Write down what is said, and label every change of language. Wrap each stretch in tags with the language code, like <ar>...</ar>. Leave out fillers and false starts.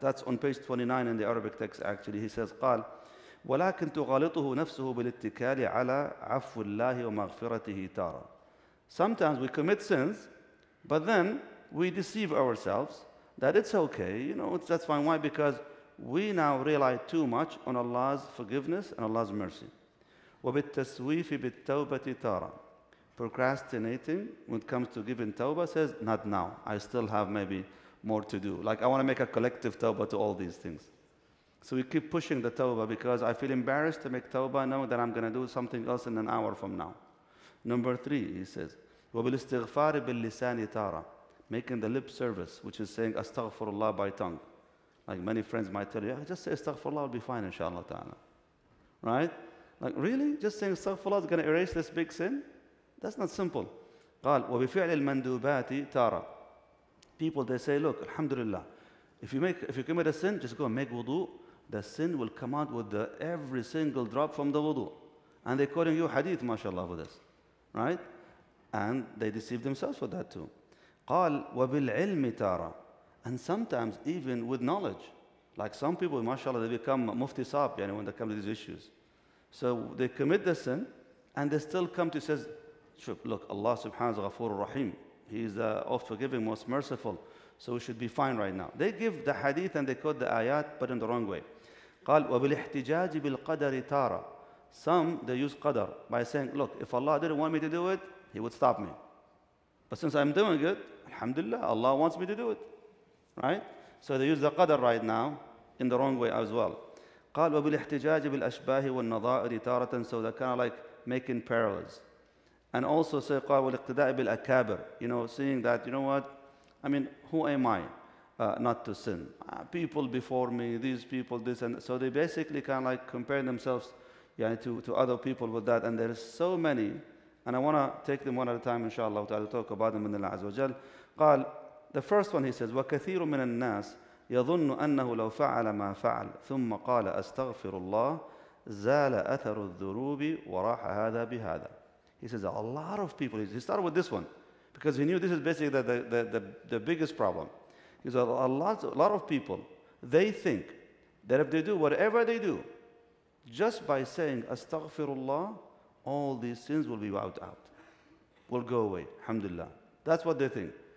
<en>That's on page 29 in the Arabic text, actually. He says,</en> <ar>قال ولكن تغالطه نفسه بالاتكال على عفو الله ومغفرته تارة.</ar> <en>Sometimes we commit sins, but then we deceive ourselves that it's okay, you know, that's fine. Why? Because we now rely too much on Allah's forgiveness and Allah's mercy.</en> <ar>وبالتسويف بالتوبة تارة.</ar> <en>Procrastinating when it comes to giving tawbah says, not now, I still have maybe more to do. Like, I want to make a collective tawbah to all these things. So we keep pushing the tawbah because I feel embarrassed to make tawbah now that I'm going to do something else in an hour from now. Number three, he says,</en> <ar>وبالاستغفار باللسان تارة,</ar> <en>making the lip service, which is saying astaghfirullah by tongue. Like many friends might tell you, yeah, just say astaghfirullah, will be fine, inshallah ta'ala. Right? Like, really? Just saying astaghfirullah is going to erase this big sin? That's not simple.</en> <ar>قال وبفعل المندوبات تارة.</ar> <en>People, they say, look, alhamdulillah, if you commit a sin, just go and make wudu. The sin will come out with every single drop from the wudu. And they're quoting you hadith, mashallah, for this. Right? And they deceive themselves with that too.</en> <ar>قال وبالعلم تارة.</ar> <en>And sometimes even with knowledge. Like some people, mashallah, they become mufti sab, yani, when they come to these issues. So they commit the sin, and they still come to says, look, Allah subhanahu wa ta'ala ghafoor rahim. He is the most forgiving, most merciful. So we should be fine right now. They give the hadith and they quote the ayat, but in the wrong way.</en> <ar>قال وبالاحتجاج بالقدر تارة.</ar> <en>Some, they use qadr by saying, look, if Allah didn't want me to do it, He would stop me. But since I'm doing it, alhamdulillah, Allah wants me to do it. Right? So they use the qadr right now in the wrong way as well.</en> <ar>قال وبالاحتجاج بالأشباه والنظائر تارة.</ar> <en>So they're kind of like making parallels. And also say,</en> <ar>قال والاقتداء بالأكابر.</ar> <en>You know, seeing that, you know what? I mean, who am I not to sin? People before me, these people, this. And so they basically kind of like compare themselves, yeah, to other people with that. And there are so many. And I want to take them one at a time, inshallah, to talk about them in Allah Azza wa Jal.</en> <ar>قال,</ar> <en>the first one, he says,</en> <ar>وكثير من الناس يظن أنه لو فعل ما فعل ثم قال أستغفر الله زال أثر الذروب وراح هذا بهذا.</ar> <en>He says, a lot of people, he started with this one, because he knew this is basically the biggest problem. He says, a lot of people, they think that if they do whatever they do, just by saying astaghfirullah, all these sins will be wiped out, will go away, alhamdulillah. That's what they think.</en>